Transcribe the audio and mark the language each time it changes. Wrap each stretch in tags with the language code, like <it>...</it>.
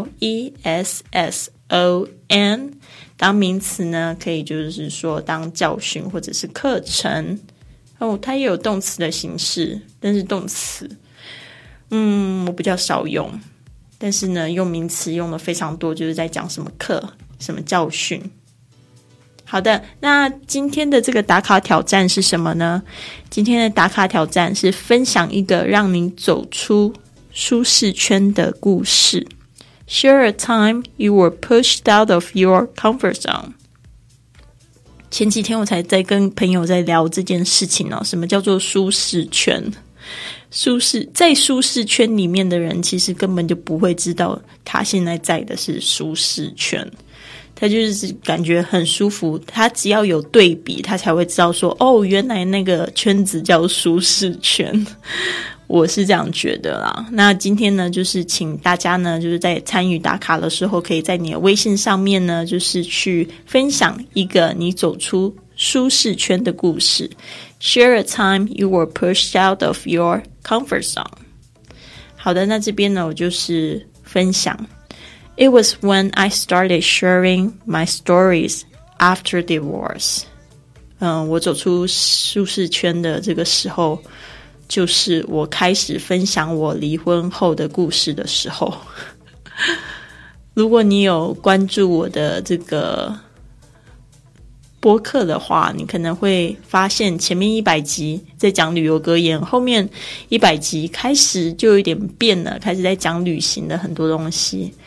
<zh>L-E-S-S-O-N， 当名词呢可以就是说当教训或者是课程哦，它也有动词的形式，但是动词我比较少用，但是呢用名词用的非常多，就是在讲什么课、什么教训。好的，那今天的这个打卡挑战是什么呢？今天的打卡挑战是分享一个让你走出舒适圈的故事。</zh> <en>Share a time you were pushed out of your comfort zone。</en> <zh>前几天我才在跟朋友在聊这件事情哦，什么叫做舒适圈？舒适，在舒适圈里面的人其实根本就不会知道他现在在的是舒适圈，他就是感觉很舒服，他只要有对比他才会知道说，哦，原来那个圈子叫舒适圈。我是这样觉得啦。那今天呢，就是请大家呢，就是在参与打卡的时候，可以在你的微信上面呢，就是去分享一个你走出舒适圈的故事。</zh> <en>Share a time you were pushed out of your comfort zone.</en> <zh>好的，那这边呢，我就是分享。</zh> <en>It was when I started sharing my stories after divorce.</en> <zh>我走出舒适圈的这个时候，就是我开始分享我离婚后的故事的时候。如果你有关注我的这个播客的话，你可能会发现前面100集在讲旅游格言，后面100集开始就有点变了，开始在讲旅行的很多东西。</zh>